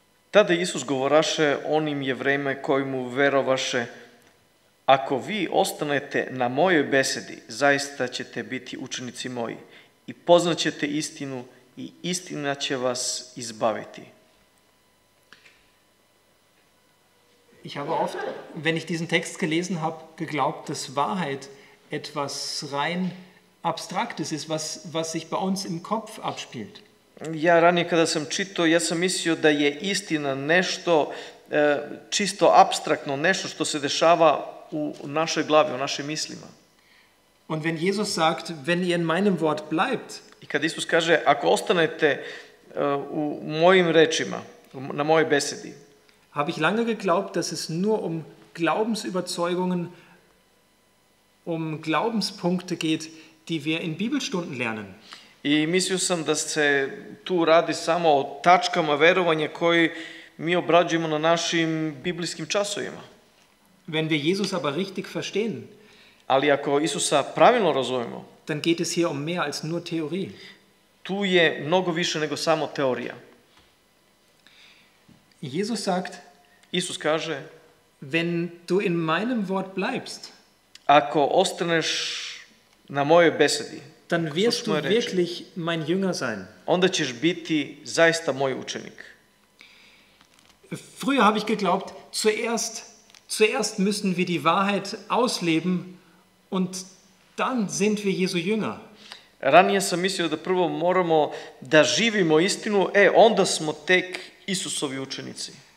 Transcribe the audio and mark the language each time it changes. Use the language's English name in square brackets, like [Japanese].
[Serbian] Tada Isus govoraše onim jevrejima koji mu verovaše: Ako vi ostanete na mojoj besedi, zaista ćete biti učenici moji i poznaćete istinu i istina će vas izbaviti. [German] Ich habe oft, wenn ich diesen Text gelesen habe, geglaubt, dass Wahrheit etwas rein Abstraktes ist, was sich bei uns im Kopf abspielt. [Serbian] Ja ranije kada sam čitao, ja sam mislio da je istina nešto čisto apstraktno, nešto što se dešava u našoj glavi, u našim mislima. [German] Und wenn Jesus sagt, wenn ihr in meinem Wort bleibt, [Serbian] i kad Isus kaže, ako ostanete u mojim rečima, na mojoj besedi, [German] habe ich lange geglaubt, dass es nur um Glaubensüberzeugungen, um Glaubenspunkte geht, die wir in Bibelstunden lernen. [Serbian] I mislio sam da se tu radi samo o tačkama verovanja koji mi obrađujemo na našim biblijskim časovima. [German] Wenn wir Jesus aber richtig verstehen, [Serbian] ali ako Isusa pravilno razumemo, [German] dann geht es hier um mehr als nur Theorie. [Serbian] Tu je mnogo više nego samo teorija. [German] Jesus sagt, [Serbian] Isus kaže, [German] wenn du in meinem Wort bleibst, [Serbian] ako ostaneš na mojoj besedi, [German] dann wirst du wirklich mein Jünger sein. [Serbian] Onda ćeš biti zaista moj učenik. [German] Früher habe ich geglaubt, zuerst müssen wir die Wahrheit ausleben und dann sind wir Jesu Jünger. [Serbian] Ranije sam mislio da prvo moramo da živimo istinu, onda smo tek Isusovi učenici.